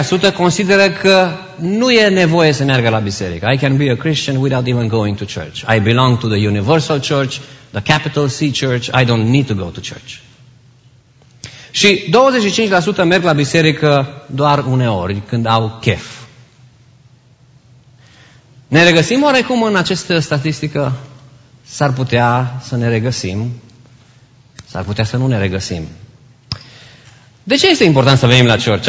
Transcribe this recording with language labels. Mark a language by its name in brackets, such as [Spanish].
[Romanian] 33% consideră că nu e nevoie să meargă la biserică. [English] I can be a Christian without even going to church. I belong to the Universal Church, the Capital C Church. I don't need to go to church. [Romanian] Și 25% merg la biserică doar uneori, când au chef. Ne regăsim oarecum în această statistică? S-ar putea să ne regăsim. S-ar putea să nu ne regăsim. De ce este important să venim la church?